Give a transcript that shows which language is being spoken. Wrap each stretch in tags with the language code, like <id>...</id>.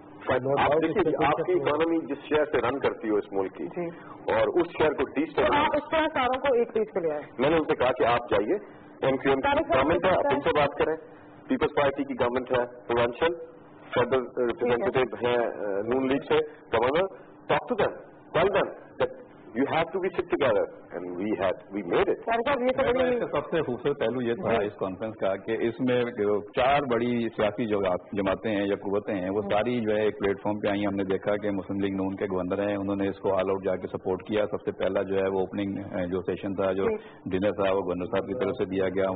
<ur>آپ کی اکانومی جس شہر سے رن کرتی ہو اس ملک کی اور اس شہر کو ڈی سٹیبل, آپ اس طرح ساروں کو ایک پیج پہ لے آئے. میں نے ان سے کہا کہ آپ جائیے ایم کیو ایم گورنمنٹ ہے, آپ ان سے بات کریں. پیپلز پارٹی کی گورنمنٹ ہے, پروینشل فیڈرل ریپرزینٹیٹو ہیں نون لیگ سے governor.</ur> <en>Talk to them. Tell them that you have to be sit together. And we had, we made it.</en> <ur>سب سے خوبصورت پہلو یہ تھا اس کانفرنس کا کہ اس میں چار بڑی سیاسی جو جماعتیں ہیں یا قوتیں ہیں وہ ساری جو ہے ایک پلیٹ فارم پہ آئی. ہم نے دیکھا کہ مسلم لیگ نون کے گورنر ہیں, انہوں نے اس کو آل آؤٹ جا کے سپورٹ کیا. سب سے پہلا جو ہے وہ اوپننگ جو سیشن تھا, جو ڈنر تھا, وہ گورنر صاحب کی طرف سے دیا گیا.</ur>